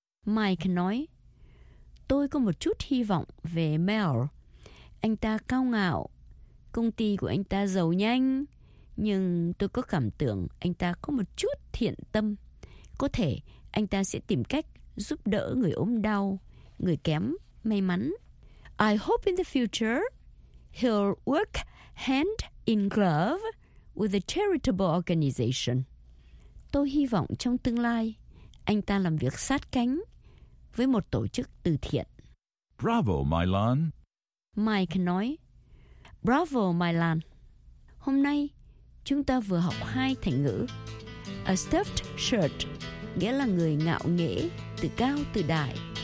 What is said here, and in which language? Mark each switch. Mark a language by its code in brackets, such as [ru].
[vi] Mike nói, tôi có một chút hy vọng về Mel. Anh ta cao ngạo, công ty của anh ta giàu nhanh, nhưng tôi có cảm tưởng anh ta có một chút thiện tâm. Có thể anh ta sẽ tìm cách giúp đỡ người ốm đau, người kém, may mắn. [en] I hope in the future he'll work hand in glove with a charitable organization. [vi] Tôi hy vọng trong tương lai, anh ta làm việc sát cánh với một tổ chức từ thiện. [en] Bravo, Milan. [vi] Mike nói, Bravo, Milan. Hôm nay, chúng ta vừa học hai thành ngữ. A stuffed shirt, nghĩa là người ngạo nghễ, tự cao, tự đại.